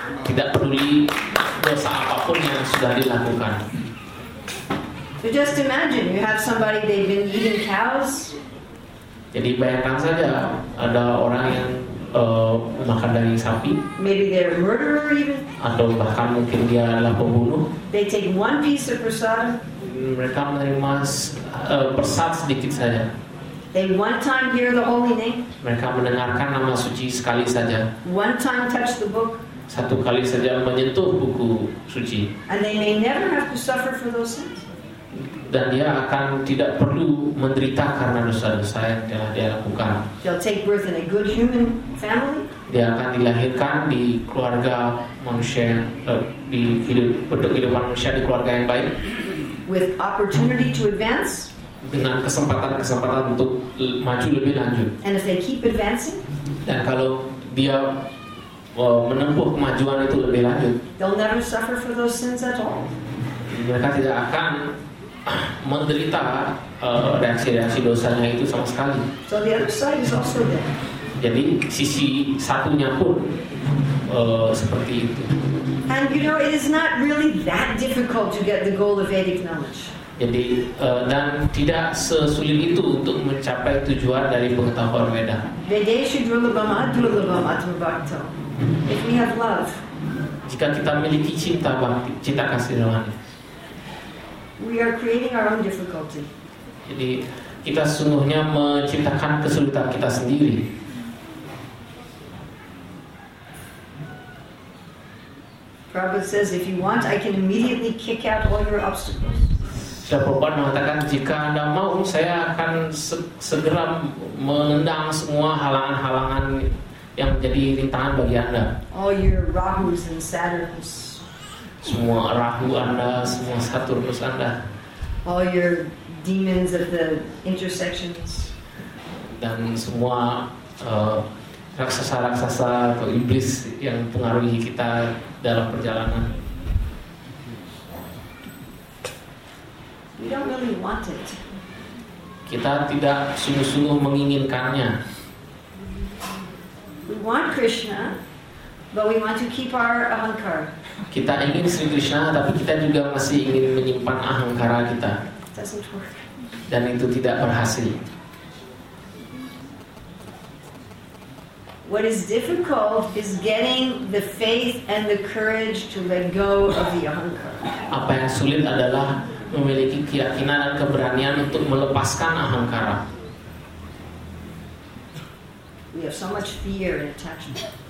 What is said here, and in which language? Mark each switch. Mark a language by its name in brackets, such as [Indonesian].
[Indonesian] Tidak peduli dosa apapun yang sudah dilakukan. [English] So just imagine you have somebody, they've been eating cows. [Indonesian] Jadi bayangkan saja ada orang yang makan daging sapi. [English] Maybe they're a murderer even. [Indonesian] Atau bahkan mungkin dia adalah pembunuh. [English] They take one piece of prasad. [Indonesian] Mereka menerima prasad sedikit saja. [English] They one time hear the holy name. [Indonesian] Mereka mendengarkan nama suci sekali saja. [English] One time touch the book. [Indonesian] Satu kali saja menyentuh buku suci. [English] And they may never have to suffer for those sins. [Indonesian] Dan dia akan tidak perlu menderita karena dosa-dosa yang telah dia lakukan. [English] He'll take birth in a good human family. [Indonesian] Dia akan dilahirkan di keluarga manusia, di kehidupan manusia di keluarga yang baik. [English] With opportunity to advance. [Indonesian] Dengan kesempatan-kesempatan untuk maju lebih lanjut. [English] And if they keep advancing. [Indonesian] Dan kalau dia menempuh kemajuan itu lebih lanjut. [English] They'll never suffer for those sins at all. [Indonesian] Mereka tidak akan menderita reaksi-reaksi dosanya itu sama sekali. [English] So the other side is also there. [Indonesian] Jadi sisi satunya pun seperti itu. [English] And you know, it is not really that difficult to get the goal of Vedic knowledge. [Indonesian] Jadi dan tidak sesulit itu untuk mencapai tujuan dari pengetahuan Veda. [Sanskrit] Vedeshu drulabham adrulabham atmabhakto. [English] If we have love. [Indonesian] Jika kita memiliki cinta bhakti, cinta kasih rohani. [English] We are creating our own difficulty. [Indonesian] Jadi kita sesungguhnya menciptakan kesulitan kita sendiri. [English] Prabhupada says, if you want, I can immediately kick out all your obstacles. [Indonesian] Srila Prabhupada mengatakan, jika Anda mau, saya akan segera menendang semua halangan-halangan yang menjadi rintangan bagi Anda. [English] All your Rahus and Saturns. [Indonesian] Semua rahu Anda, semua Saturnus Anda. [English] All your demons of the intersections. [Indonesian] Dan semua raksasa-raksasa atau iblis yang pengaruhi kita dalam perjalanan. [English] We don't really want it. [Indonesian] Kita tidak sungguh-sungguh menginginkannya. [English] We want Krishna, but we want to keep our ahankara. [Indonesian] Kita ingin Sri Krishna, tapi kita juga masih ingin menyimpan ahankara kita. Dan itu tidak berhasil. [English] What is difficult is getting the faith and the courage to let go of the ahankara. [Indonesian] Apa yang sulit adalah memiliki keyakinan dan keberanian untuk melepaskan ahankara. [English] We have so much fear and attachment.